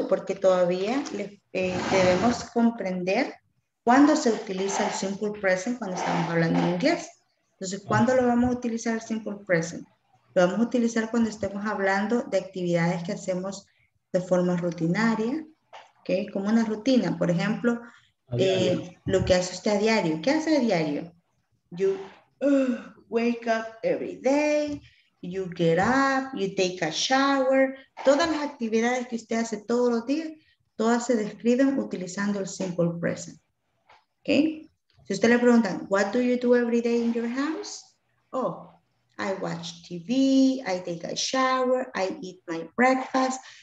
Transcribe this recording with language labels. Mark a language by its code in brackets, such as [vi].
[es] Porque todavía debemos comprender cuándo se utiliza el simple present cuando estamos hablando en inglés. Entonces, ¿cuándo lo vamos a utilizar el simple present? Lo vamos a utilizar cuando estemos hablando de actividades que hacemos de forma rutinaria, ¿okay? Como una rutina, por ejemplo, lo que hace usted a diario. ¿Qué hace a diario? [en] You wake up every day, you get up, you take a shower. [es] Todas las actividades que usted hace todos los días, todas se describen utilizando el simple present. ¿Okay? Si usted le pregunta, [en] what do you do every day in your house? Oh, I watch TV, I take a shower, I eat my breakfast.